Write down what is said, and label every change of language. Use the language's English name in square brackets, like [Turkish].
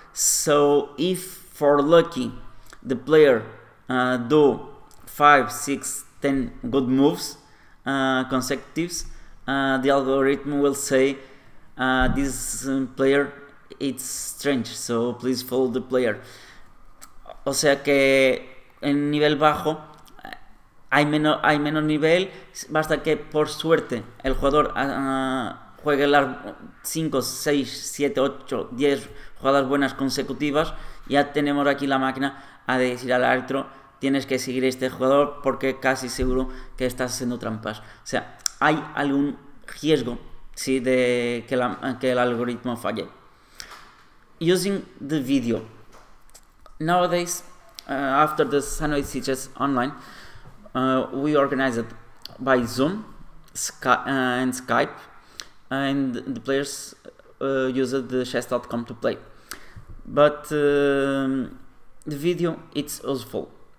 [English] So if for lucky the player do 5, 6, 10 good moves consecutives, the algorithm will say, this player, it's strange, so please follow the player. [Spanish] O sea que en nivel bajo hay menos nivel, basta que por suerte el jugador juegue las 5, 6, 7, 8, 10 jugadas buenas consecutivas, ya tenemos aquí la máquina a decir al árbitro, tienes que seguir a este jugador porque casi seguro que estás haciendo trampas. O sea, hay algún riesgo, sí, de que el algoritmo falle. [English] Using the video. Nowadays, after the Sanoi Sitges online, we organized by Zoom and Skype, and the players used the chess.com to play. But the video, it's useful.